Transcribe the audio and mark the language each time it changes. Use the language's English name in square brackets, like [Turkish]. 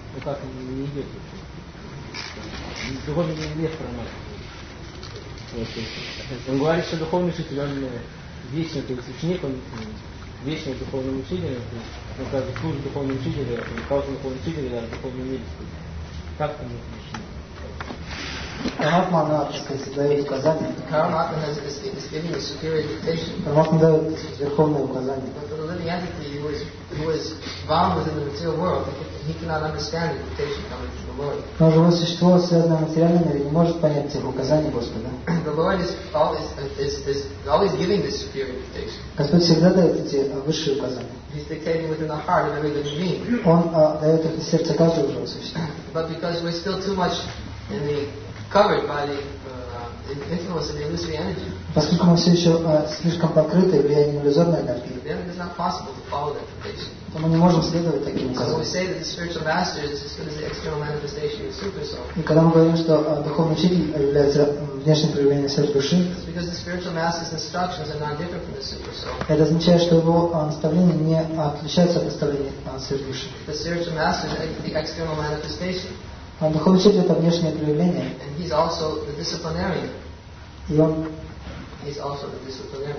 [Russian] Ну как, не идет вообще. Духовный мир нет параматмы. Вот. Он говорит, что духовный учитель, он вечный, то есть ученик, он вечный духовный учитель, то есть он каждый служит духовному учителю, он кого-то духовный учитель, да, духовный мир. Как это может быть? Параматма, она, так сказать, дает указание. [English] Параматма is giving a superior dictation. [Russian] Параматма дает верховное указание. [English] But for the living entity who is bound within the material world, he cannot understand the dictation coming from the Lord. [Russian] Но живое существо, связанное материальным миром, не может понять тех указаний Господа. [English] The Lord is always giving this superior dictation. [Russian] Господь всегда дает эти высшие указания. [English] He's dictating within the heart of every living being. [Russian] Он дает это сердце каждого живого существа. [English] But because we're still too much in the covered by the influence of the illusory energy. [Russian] Поскольку мы все еще слишком покрыты влиянием иллюзорной энергии. [English] Then it is not possible to follow that temptation. [Russian] То мы не можем следовать таким указаниям. [English] So we say that the spiritual master is as good as the external manifestation of the super soul. [Russian] И когда мы говорим, что духовный учитель является внешним проявлением сверхдуши, [English] it's because the spiritual master's instructions are not different from the super soul. [Russian] Это означает, что его наставление не отличается от наставления сверхдуши. [English] The spiritual master is the external manifestation. [Russian] А духовный учитель — это внешнее проявление. [English] And he's also the disciplinarian. [Russian] И он [English] He's also the disciplinarian,